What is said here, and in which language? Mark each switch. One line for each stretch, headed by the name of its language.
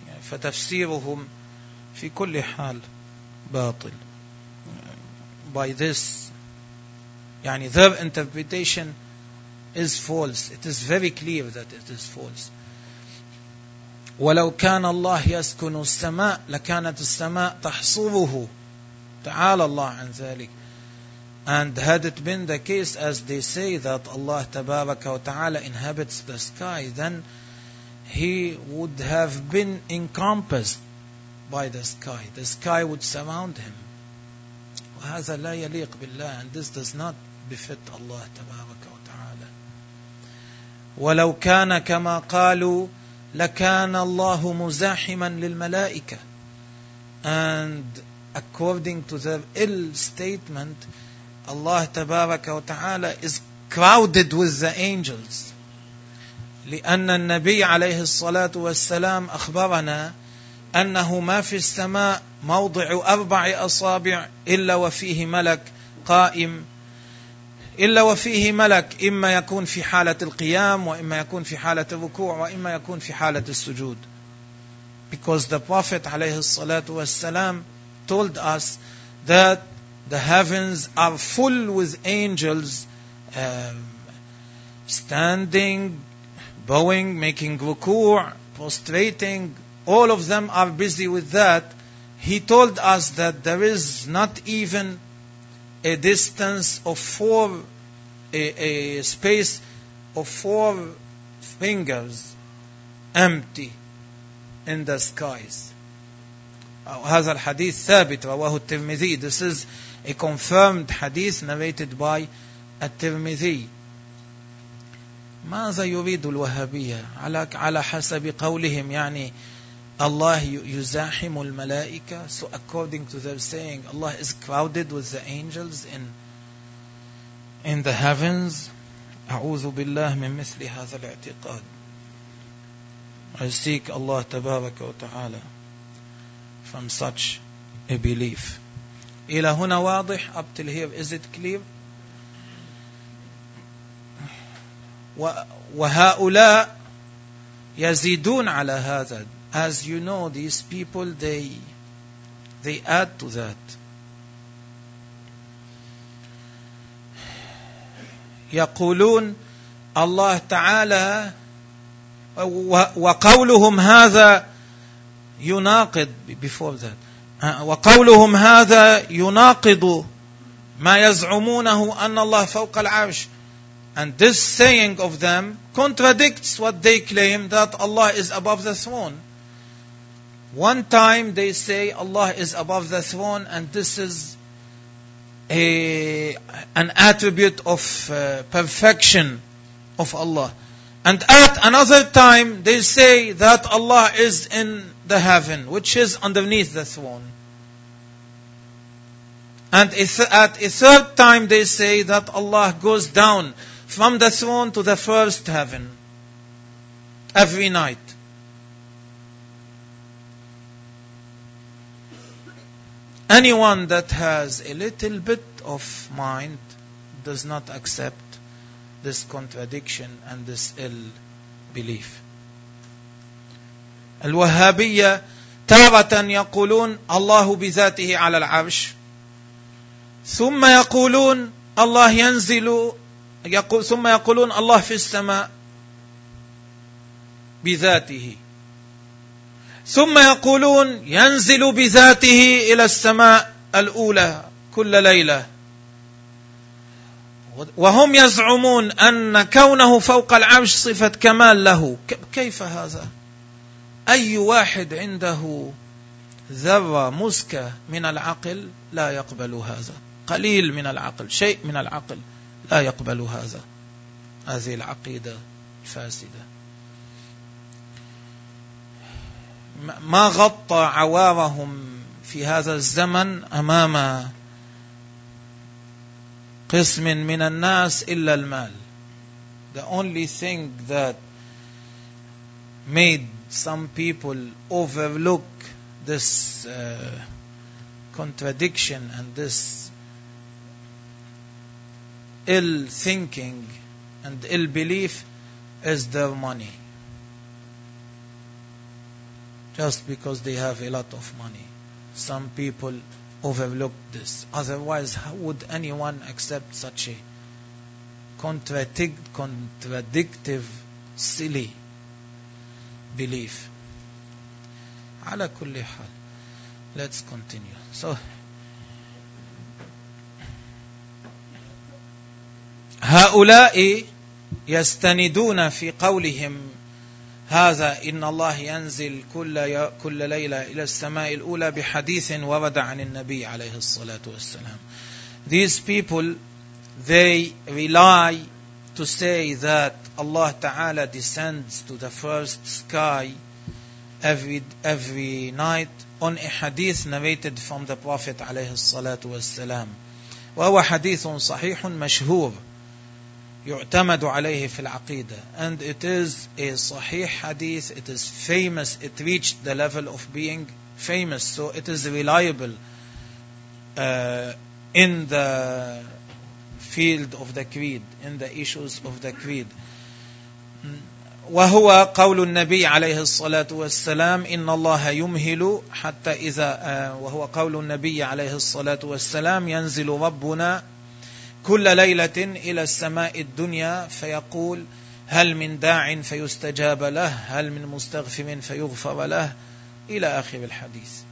Arabic: فتفسيرهم في كل حال باطل.
English: By this, يعني their interpretation is false. It is very clear that it is false.
Arabic: ولو كان الله يسكن السماء لكانت السماء تحصره. تعالى الله عن ذلك.
English: And had it been the case, as they say, that Allah Tabaraka wa Ta'ala inhabits the sky, then He would have been encompassed by the sky. The sky would surround Him.
Arabic: وهذا لا يليق بالله,
English: and this does not befit Allah Tabaraka wa Ta'ala.
Arabic: ولو كان كما قالوا لكان الله مزاحما للملائكة.
English: And according to their ill statement, Allah Tabaraka wa Ta'ala is crowded with the angels.
Arabic: لأن النبي عليه الصلاة والسلام أخبرنا أنه ما في السماء موضع أربع أصابع إلا وفيه ملك قائم, إلا وفيه ملك إما يكون في حالة القيام وإما يكون في حالة الركوع وإما يكون في حالة السجود.
English: Because the Prophet
Arabic: عليه الصلاة والسلام
English: told us that the heavens are full with angels standing, bowing, making ruku', prostrating, all of them are busy with that. He told us that there is not even a distance of four, a space of four fingers empty in the skies.
Arabic: هذا الحديث ثابت رواه الترمذي.
English: This is a confirmed hadith narrated by الترمذي.
Arabic: ماذا يريد الوهابية على حسب قولهم؟ يعني الله يزاحم الملائكة.
English: So according to their saying, Allah is crowded with the angels in the heavens.
Arabic: أعوذ بالله من مثل هذا الاعتقاد.
English: I seek Allah
Arabic: تبارك وتعالى
English: from such a belief.
Arabic: إلى هنا واضح؟
English: Up till here, is it clear?
Arabic: وهؤلاء يزيدون على هذا.
English: As you know, these people, they add to that.
Arabic: يقولون الله تعالى وقولهم هذا يناقض
English: before that.
Arabic: وقولهم هذا يناقض ما يزعمونه أن الله فوق العرش.
English: And this saying of them contradicts what they claim that Allah is above the throne. One time they say Allah is above the throne, and this is an attribute of perfection of Allah. And at another time they say that Allah is in the heaven, which is underneath the throne. And at a third time they say that Allah goes down from the throne to the first heaven every night. Anyone that has a little bit of mind does not accept this contradiction and this ill belief.
Arabic: الوهابية تارة يقولون الله بذاته على العرش، ثم يقولون الله ينزل، ثم يقولون الله في السماء بذاته، ثم يقولون ينزل بذاته إلى السماء الأولى كل ليلة، وهم يزعمون أن كونه فوق العرش صفة كمال له. كيف هذا؟ أي واحد عنده ذرة مسكة من العقل لا يقبل هذا، قليل من العقل، شيء من العقل لا يقبل هذا، هذه العقيدة الفاسدة. ما غطى عوارهم في هذا الزمن أمام قسم من الناس إلا المال.
English: The only thing that made some people overlook this contradiction and this ill thinking and ill belief is their money. Just because they have a lot of money, some people overlook this. Otherwise, how would anyone accept such a contradictive, silly belief?
Arabic: على كل حال,
English: let's continue. So,
Arabic: هؤلاء يستندون في قولهم هذا إن الله ينزل كل ليلة إلى السماء الأولى بحديث ورد عن النبي عليه الصلاة والسلام.
English: These people, they rely to say that Allah Ta'ala descends to the first sky every night on a hadith narrated from the Prophet
Arabic: عليه الصلاة والسلام. وهو حديث صحيح مشهور يعتمد عليه في العقيدة.
English: And it is a
Arabic: صحيح حديث.
English: It is famous. It reached the level of being famous. So it is reliable in the field of the creed, in the issues of the creed.
Arabic: وهو قول النبي عليه الصلاة والسلام إن الله يمهل حتى إذا وهو قول النبي عليه الصلاة والسلام ينزل ربنا كل ليلة إلى السماء الدنيا فيقول هل من داع فيستجاب له، هل من مستغفر فيغفر له، إلى آخر الحديث.